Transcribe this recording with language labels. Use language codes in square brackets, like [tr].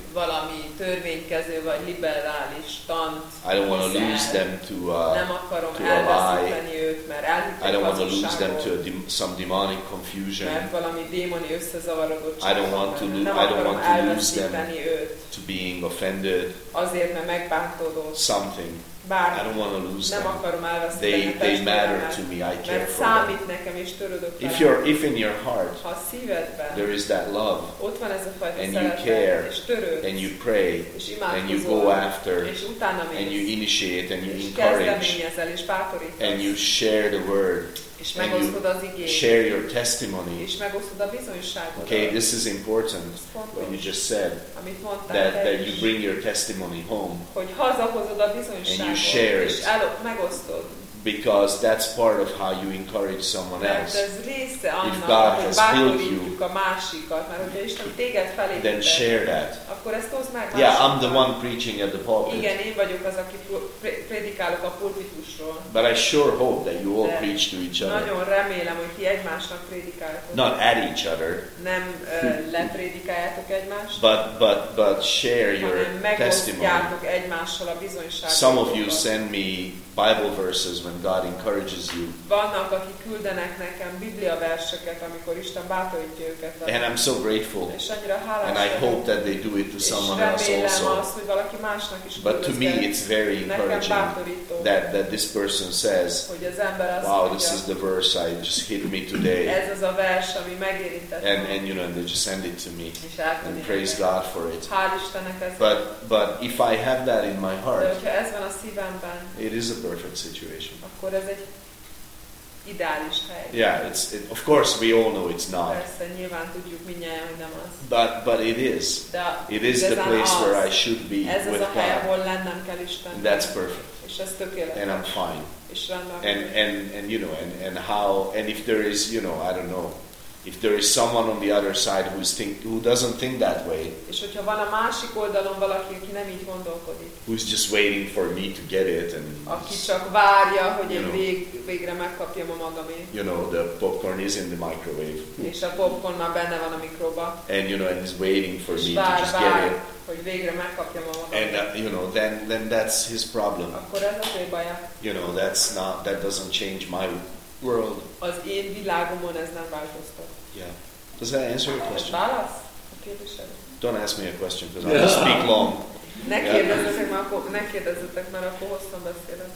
[hu] Valami törvénykező vagy liberális tant. [en] I don't want to lose them to [hu] nem akarom elveszíteni őt, mert elhitték. [en] I don't want to lose them to some demonic confusion. [hu] Mert valami démoni összezavarodottság. [en] I don't want to lose them to being offended. [hu] Azért, mert megbántódott. [en] Something. [hu] Bármi. [en] I don't want to lose [hu] nem [en] them. They matter to me. I care for them. [hu] Nekem, [en] if you're, if in your heart [hu] ha szívedben, [en] there is that love [hu] ott van ez a fajta [en] and you care [hu] és törődsz, [en] and you pray [hu] és imádkozol, [en] and you go after [hu] és utána mész, [en] and you initiate and you [hu] és [en] encourage [hu] kezdeményezel, és bátorítasz, [en] and you share the word [hu] és megosztod [en] you [hu] az igényt, [en] share your testimony. [hu] És megosztod a bizonyságodat. [en] Okay, this is important. What you just said. [hu] Amit mondtál, [en] that you bring your testimony home. [hu] Hogy hazahozod a bizonyságot. [en] And you share [hu] és megosztod. [en] Because that's part of how you encourage someone else. [hu] Ez része annak, [en] if God has built you, [hu] a másikat, mert hogyha Isten téged felépített, [en] then share that. [hu] Akkor ezt hozd meg. [en] Yeah, I'm the one preaching at the pulpit. [hu] Igen, én vagyok az, aki prédikálok a pulpitusról. [en] But I sure hope that you all de preach to each other. [hu] Nagyon remélem, hogy ti egymásnak prédikáltok. [en] Not at each other. [hu] Nem leprédikáljátok egymást. [en] But share your testimony. [hu] Megosztjátok egymással a bizonyságot. [en] Some of you send me Bible verses when God encourages you. [hu] Vannak, akik küldenek nekem Biblia verseket, amikor Isten bátorítja őket. [en] And I'm so grateful. [hu] És annyira hálás. [en] And I hope that they do it to someone else also. [hu] Azt, hogy valaki másnak is. [en] But to me, it's very encouraging that this person says, [hu] hogy az ember azt [en] wow, [hu] mondja, [en] this is the verse I just hit me today. [hu] Ez az a vers, ami megérintett. [en] And you know, and they just send it to me. [hu] És elküldik. [en] And praise God for it. [hu] Hál' Istennek ezért. [en] But if I have that in my heart, [hu] de hogyha ez van a szívemben, [en] it is a perfect situation. [hu] Akkor ez egy ideális hely. [en] Yeah, it's it, of course we all know it's not. [hu] Persze, nyilván tudjuk mindjárt, hogy nem az. [en] But it is. [hu] De [en] it is the place [hu] az, [en] where I should be [hu] ez [en] with [hu] az a [en] God. [hu] Hely, ahol lennem kell Isten. [en] And that's perfect. [hu] És ez tökéletes. [en] And I'm fine. [hu] És rendben. [en] And you know and how and if there is, you know, I don't know. If there is someone on the other side who doesn't think that way, [hu] és hogyha van a másik oldalon valaki, aki nem így gondolkodik, [en] who's just waiting for me to get it, and [hu] aki csak várja, hogy én végre megkapjam a magamét, [en] you know, the popcorn is in the microwave, [hu] és a popcorn már benne van a mikróba, [en] and you know, and he's waiting for me [hu] vár, [en] to just [hu] vár, [en] get it, [hu] hogy végre megkapjam a magamét, [en] and you know, then that's his problem. [hu] Akkor ez az ő baja. [en] You know, that doesn't change my world. [hu] Az én világomon ez nem változtat. [en] Yeah. Does that answer your question? [hu] Válasz a kérdésed. [en] Don't ask me a question because I'll speak long. [hu] Ne kérdezzetek, mert akkor hosszan beszélek.